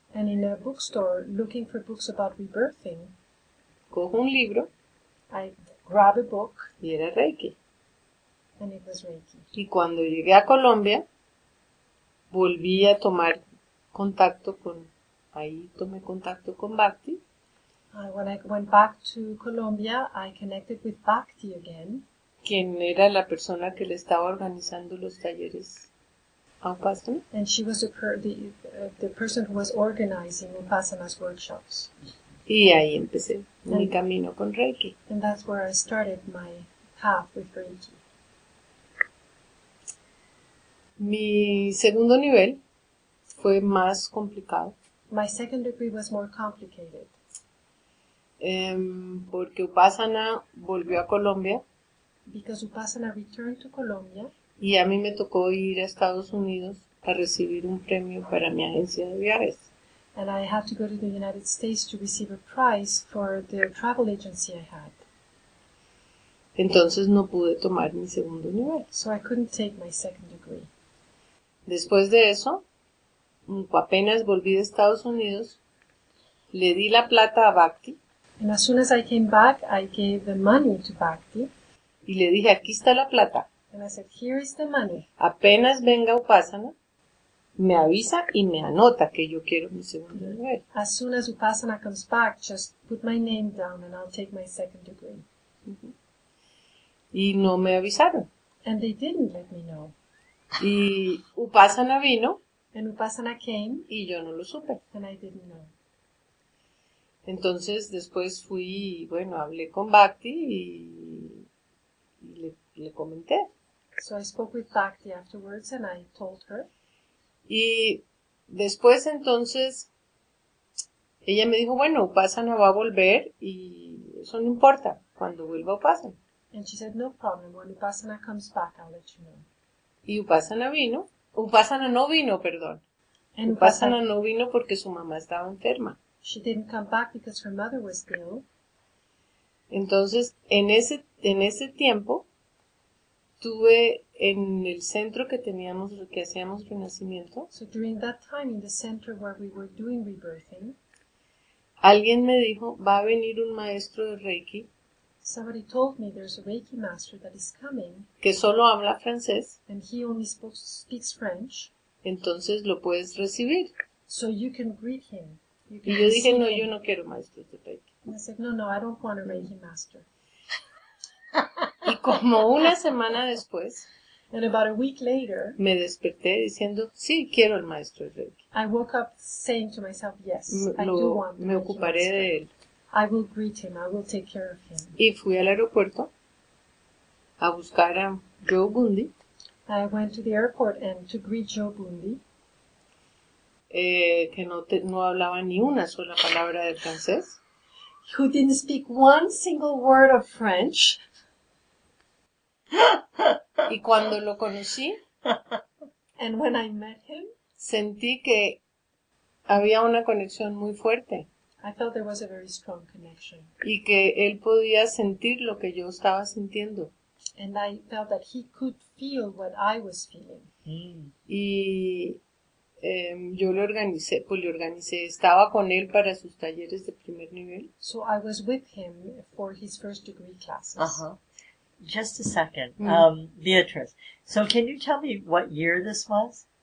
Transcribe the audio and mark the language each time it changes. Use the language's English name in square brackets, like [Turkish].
[English] And in a bookstore looking for books about rebirthing. [Spanish] Cojo un libro. [English] I grab a book. [Spanish] Y era Reiki. [English] And it was Reiki. [Spanish] Y cuando llegué a Colombia, volví a tomar contacto con... Ahí tomé contacto con Bhakti. [English] When I went back to Colombia, I connected with Bhakti again. [Spanish] Quien era la persona que le estaba organizando los talleres a Upasana. [English] And she was the person who was organizing Upasana's workshops. [Spanish] Y ahí empecé mi camino con Reiki. [English] And that's where I started my path with Reiki. [Spanish] Mi segundo nivel fue más complicado. [English] My second degree was more complicated. [Spanish] Porque Upasana volvió a Colombia. [English] Because Upasana returned to Colombia. [Spanish] Y a mí me tocó ir a Estados Unidos a recibir un premio para mi agencia de viajes. [English] and I had to go to the United States to receive a prize for the travel agency I had. [Spanish] Entonces no pude tomar mi segundo nivel. [English] So I couldn't take my second degree. [Spanish] Después de eso, apenas volví de Estados Unidos, le di la plata a Bhakti. [English] And as soon as I came back, I gave the money to Bhakti. [Spanish] Y le dije, aquí está la plata. [English] And I said, here is the money. [Spanish] Apenas venga Upasana, me avisa y me anota que yo quiero mi segundo nivel. [English] As soon as Upasana comes back, just put my name down and I'll take my second degree. [Spanish] Uh-huh. Y no me avisaron. [English] And they didn't let me know. [Spanish] Y Upasana vino. [English] And Upasana came. [Spanish] Y yo no lo supe. [English] And I didn't know. [Spanish] Entonces después fui, bueno, hablé con Bhakti y le comenté. [English] So I spoke with Bhakti afterwards and I told her. [Spanish] Y después entonces ella me dijo, bueno, Upasana va a volver y eso no importa, cuando vuelva Upasana. [English] And she said, no problem, when Upasana comes back I'll let you know. [Spanish] Y Upasana vino, Upasana no vino, perdón. [English] And [Spanish] Upasana no vino porque su mamá estaba enferma. [English] She didn't come back because her mother was ill. [Spanish] Entonces, en ese tiempo, tuve en el centro que teníamos, que hacíamos renacimiento. [English] So during that time, in the center where we were doing rebirthing, [Spanish] alguien me dijo, va a venir un maestro de Reiki. [English] Somebody told me there's a Reiki master that is coming. [Spanish] Que solo habla francés. [English] And he only speaks French. [Spanish] Entonces, lo puedes recibir. [English] So you can greet him. [Spanish] Y yo dije, no, yo no quiero maestros de Reiki. [English] And I said, no, no, I don't want a Reiki master. [Spanish] Y como una semana después, [English] and about a week later, [Spanish] me desperté diciendo, sí, quiero el maestro de Reiki. [English] I woke up saying to myself, yes, I do want [Spanish] me ocuparé de él. [English] I will greet him, I will take care of him. [Spanish] Y fui al aeropuerto a buscar a Joe Bundy. [English] I went to the airport and to greet Joe Bundy. [Spanish] Que no hablaba ni una sola palabra de francés. [English] Who didn't speak one single word of French. [Spanish] Y cuando lo conocí, [English] and when I met him, [Spanish] sentí que había una conexión muy fuerte. [English] I felt there was a very strong connection. [Spanish] Y que él podía sentir lo que yo estaba sintiendo. [English] And I felt that he could feel what I was feeling. [Spanish] Y yo le organicé, estaba con él para sus talleres de primer nivel. [English] So I was with him for his first degree classes. Uh-huh. Just a second, Beatrice. So can you tell me what year this was?